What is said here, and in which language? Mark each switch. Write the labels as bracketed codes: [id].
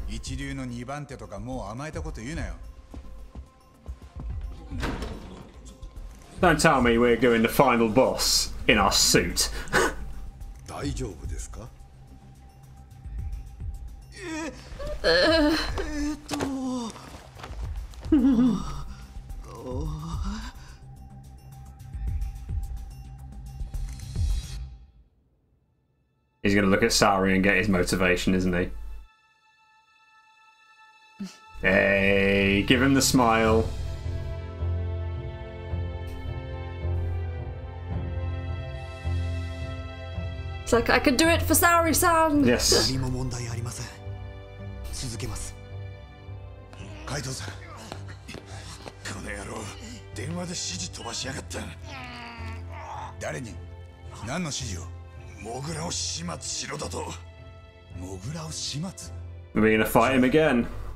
[ja] 一流の二番手とかもう甘えたこと言うなよ。 [en] Don't tell me we're doing the final boss in our suit。 [ja] 大丈夫ですか？ [en] He's gonna look at Sari and get his motivation, isn't he? Hey, give him the smile. It's like, I can do it for Sari-san! Yes. Any more [ja] 問題ありません続けます。カイトさん、この野郎電話で指示飛ばしやがった。誰に何の指示を。モグラを始末しろだと。モグラを始末。 [en] We're gonna fight him again.